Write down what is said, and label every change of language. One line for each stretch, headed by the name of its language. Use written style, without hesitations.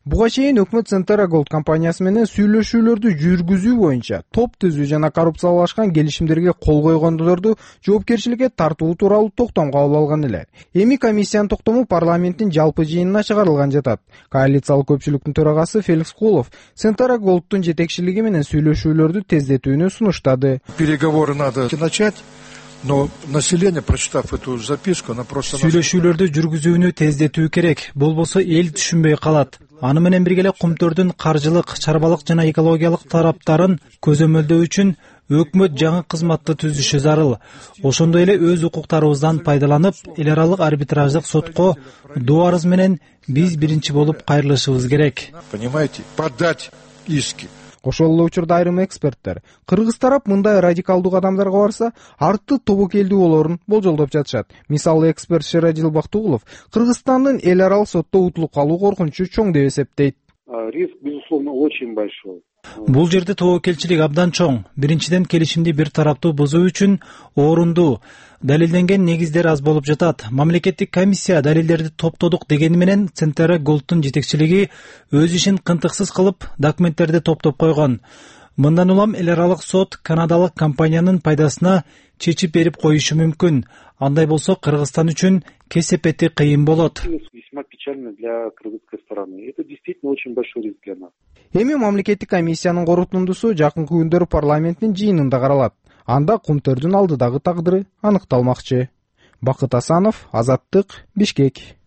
Kyrgyz: Буга чейин өкмөт Сентера Голд компаниясы менен сүйлөшүүлөрдү жүргүзүү боюнча топ түзүү жана коррупциялашкан келишимдерге кол койгондорду жоопкерчиликке тартуу тууралуу токтом кабыл алган эле. Эми комиссиянын токтому парламенттин жалпы жыйынына чыгарылган жатат. Коалициялык көпчүлүктүн төрагасы Феликс Кулов Сентера Голдтун жетекчилиги менен сүйлөшүүлөрдү тездетүүнү сунуштады.
Russian: Переговоры надо начать. Но население, прочитав эту записку, она просто...
Kyrgyz: Сүйлөшүүлөрдү жүргүзүүнү тездетүү керек, болбосо эл түшүнбөй калат. Аны менен бирге эле кумтөрдүн каржылык, чарбалык жана экологиялык тараптарын көзөмөлдөө үчүн өкмөт жаңы кызматты түзүшү зарыл. Ошондой эле өз укуктарыбыздан пайдаланып, эл аралык арбитраждык сотко доо арыз менен биз биринчи болуп кайрылышыбыз керек.
Russian: Понимаете, подать иски.
Kyrgyz: Ошол эле учурда айрым эксперттер кыргыз тарап мындай радикалдуу кадамдарга барса арты тобок элдүү болорун болжолдоп жатышат. Мисалы эксперт Ширадил Бактыгулов Кыргызстандын эл аралык сотто утулуп калуу коркунучу чоң деп эсептейт.
Russian: Риск, безусловно, очень большой.
Kyrgyz: Бул жерде тобокелчилик абдан чоң. Биринчиден келишимди бир тараптуу бузуу үчүн орундуу далилденген негиздер аз болуп жатат. Мамлекеттик комиссия далилдерди топтодук дегени менен Сентера Голдтун жетекчилиги өз ишин кынтыксыз кылып документтерди топтоп койгон. Мындан улам эл аралык сот канадалык компаниянын пайдасына чечип берип коюшу мүмкүн. Андай болсо Кыргызстан үчүн кесепети кыйын болот.
Russian: Весьма печально для кыргызской стороны. Это действительно очень большой риск для нас.
Kyrgyz: Эми мамлекеттик комиссиянын корутундусу жакынкы күндөрү парламенттин жыйынында каралат. Анда кумтөрдүн алдыдагы тагдыры аныкталмакчы. Бакыт Асанов, Азаттык, Бишкек.